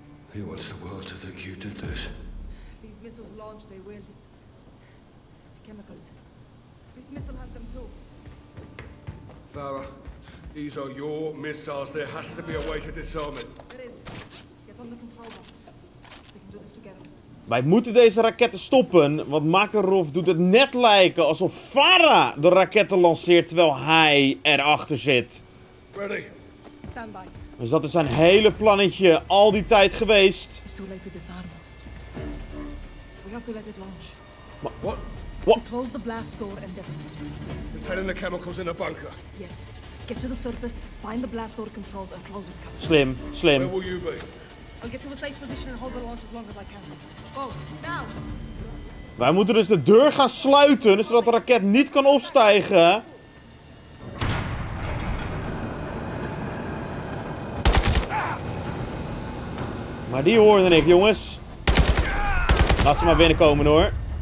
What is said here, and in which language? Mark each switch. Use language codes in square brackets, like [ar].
[en] He wants the world to think you did this. If these missiles launch, they will. The chemicals. This missile has them too. Farah. These are your missiles. There has to be a way to disarm it. There is. Get on the control box. We can do this together. [nl] Wij moeten deze raketten stoppen, want Makarov doet het net lijken alsof Farah de raketten lanceert terwijl hij erachter zit. [en] Ready. Stand by. [nl] Dus dat is zijn hele plannetje al die tijd geweest. [en] It's too late to disarm. We have to let it launch. What? What? Close the blast door and detonate. We're turning the chemicals in a bunker. Yes. Get to the surface, find the blast door controls and close it. [nl] Slim, slim. [en] Where will you be? I'll get to a safe position and hold the launch as long as I can. Oh, now. [nl] Wij moeten dus de deur gaan sluiten, zodat de raket niet kan opstijgen. Maar die hoorde ik, jongens. Laat ze maar binnenkomen, hoor.